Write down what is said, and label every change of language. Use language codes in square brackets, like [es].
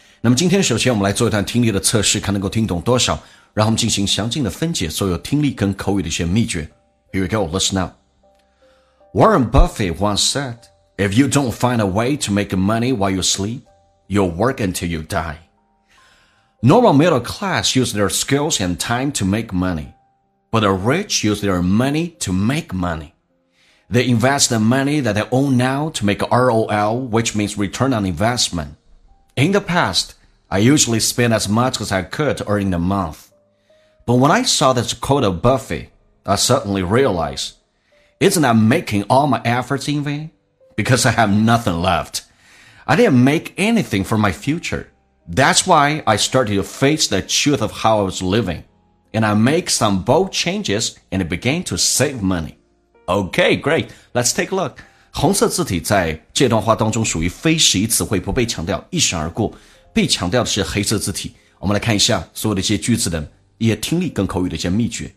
[zh] 那么今天首先我们来做一段听力的测试，看能够听懂多少，然后我们进行详尽的分解所有听力跟口语的一些秘诀。 [en] Here we go, listen up. Warren Buffett once said, If you don't find a way to make money while you sleep, you'll work until you die. Normal middle class use their skills and time to make money, but the rich use their money to make money. They invest the money that they own now to make ROL, which means return on investment. In the past, I usually spent as much as I could earning a month. But when I saw this quote of Buffett, I suddenly realized, isn't I making all my efforts in vain? Because I have nothing left. I didn't make anything for my future. That's why I started to face the truth of how I was living. And I make some bold changes and began to save money. Okay, great. Let's take a look. [zh] 红色字体在这段话当中属于非实义词汇，不被强调，一闪而过。被强调的是黑色字体。我们来看一下所有的一些句子的一些听力跟口语的一些秘诀。